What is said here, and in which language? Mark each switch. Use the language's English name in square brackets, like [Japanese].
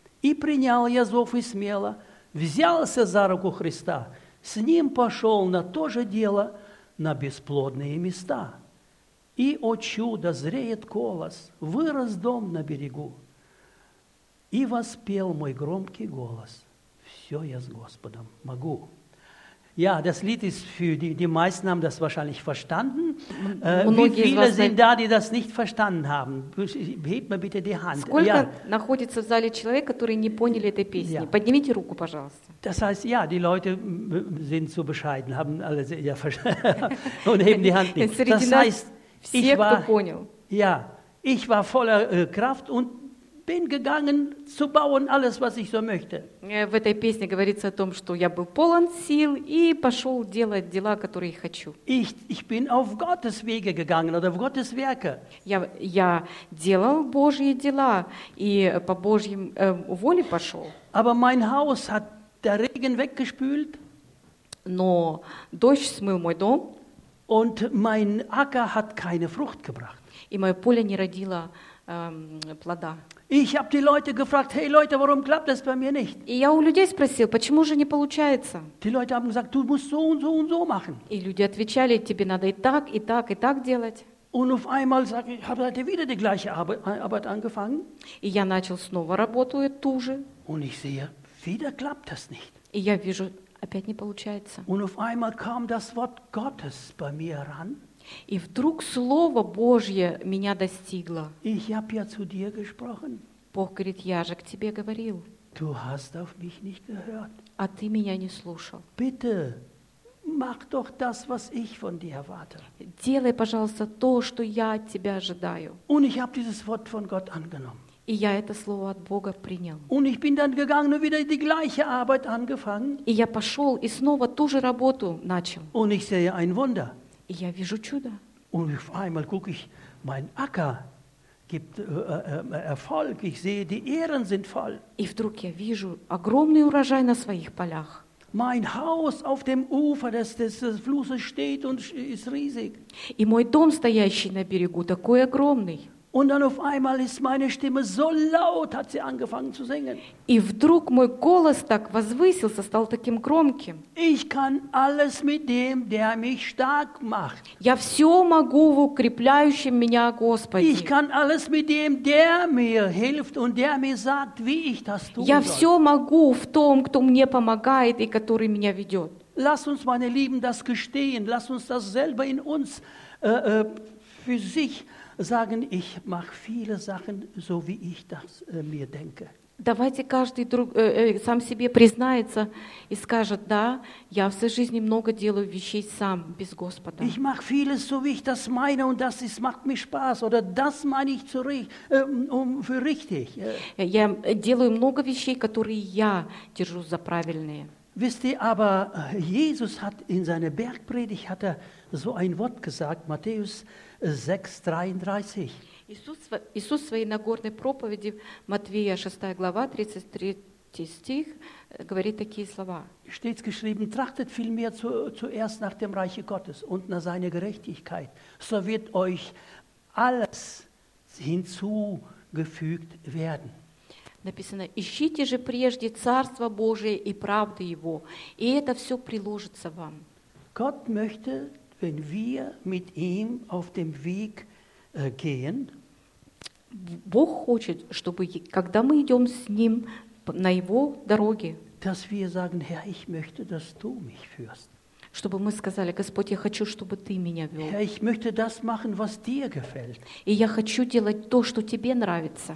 [Russian] И принял я зов и смело, взялся за руку Христа, с ним пошел на то же дело, на бесплодные места. И, о чудо, зреет колос, вырос дом на берегу, и воспел мой громкий голос. Все я с Господом могу. [German] Ja, das Lied ist für die meisten haben das wahrscheinlich verstanden. Wie viele sind da, die das nicht verstanden haben? Hebt mir bitte die Hand. [Russian] Сколько находится в зале человек, который не поняли этой песни? Поднимите руку, пожалуйста. [German] Das heißt, ja, die Leute sind so bescheiden, haben alle sehr, ja, und heben die Hand nicht. Das heißt, ich war voller Kraft und bin gegangen zu bauen alles, was ich so möchte. [Russian] В этой песне говорится о том, что я был полон сил и пошел делать дела, которые я хочу. [German] Ich bin auf Gottes Wege gegangen oder auf Gottes Werke. [Russian] Я делал Божьи дела и по Божьим воле пошел. [German] Aber mein Haus hat der Regen weggespült. [Russian] Но дождь смыл мой дом. [German] Und mein Acker hat keine Frucht gebracht. [Russian] И мое поле не родило плода. [German] Ich habe die Leute gefragt, hey Leute, warum klappt das bei mir nicht? [Russian] И я у людей спросил, почему же не получается? [German] Die Leute haben gesagt, du musst so und so und so machen. [Russian] И люди отвечали, тебе надо и так, и так, и так делать. [German] Und auf einmal habe ich wieder die gleiche Arbeit angefangen. [Russian] И я начал снова работу ту же. [German] Und ich sehe, wieder klappt das nicht. [Russian] И я вижу, опять не получается. [German] Und auf einmal kam das Wort Gottes bei mir ran. [Russian] И вдруг Слово Божье меня достигло. [German] Ich hab ja zu dir gesprochen. [Russian] Бог говорит, я же к тебе говорил. [German] Du hast auf mich nicht gehört. [Russian] А ты меня не слушал. [German] Bitte, mach doch das, was ich von dir erwarte. [Russian] Делай, пожалуйста, то, что я от тебя ожидаю. [German] Und ich hab dieses Wort von Gott angenommen. [Russian] И я это Слово от Бога принял. [German] Und ich bin dann gegangen und wieder die gleiche Arbeit angefangen. [Russian] И я пошел и снова ту же работу начал. [German] Und ich sehe ein Wunder. [Russian] И я вижу чудо. [German] Und auf einmal gucke ich, mein Acker gibt Erfolg. Ich sehe, die Ähren sind voll. [Russian] И вдруг я вижу огромный урожай на своих полях. [German] Mein Haus auf dem Ufer des Flusses steht und ist riesig. [Russian] И мой дом, стоящий на берегу, такой огромный. [German] Und dann auf einmal ist meine Stimme so laut, hat sie angefangen zu singen. [Russian] И вдруг мой голос так возвысился, стал таким громким. [German] Ich kann alles mit dem, der mich stark macht. [Russian] Я все могу в укрепляющем меня Господи. [German] Ich kann alles mit dem, der mir hilft und der mir sagt, wie ich das tun soll. [Russian] Я все могу в том, кто мне помогает и который меня ведет. [German] Lass uns, meine Lieben, das gestehen. Lass uns das selber in uns für sich sagen, ich mache viele Sachen so, wie ich das mir denke. [Russian] Давайте каждый друг сам себе признается и скажет, да, я в своей жизни много делаю вещей сам, без Господа. [German] Ich mache vieles so, wie ich das meine und das ist, macht mir Spaß oder das meine ich für richtig. [Russian] Я делаю много вещей, которые я держу за правильные. [German] Wisst ihr, aber Jesus hat in seiner Bergpredigt hat er so ein Wort gesagt, Matthäus 6:33. [Russian] Иисус в своей Нагорной проповеди, Матвея 6 глава, 33 стих, говорит такие слова. [German] Stets geschrieben, trachtet vielmehr zuerst nach dem Reich Gottes und nach seiner Gerechtigkeit, so wird euch alles hinzugefügt werden. [Russian] Написано, ищите же прежде Царство Божие и правды Его, и это все приложится вам. [German] Gott möchte, wenn wir mit ihm auf dem Weg gehen, [Russian] Бог хочет, чтобы когда мы идем с Ним на Его дороге, [German] dass wir sagen, Herr, ich möchte, dass du mich führst. [Russian] Чтобы мы сказали, Господь, я хочу, чтобы ты меня вел. [German] Herr, ich möchte das machen, was dir gefällt. [Russian] И я хочу делать то, что тебе нравится.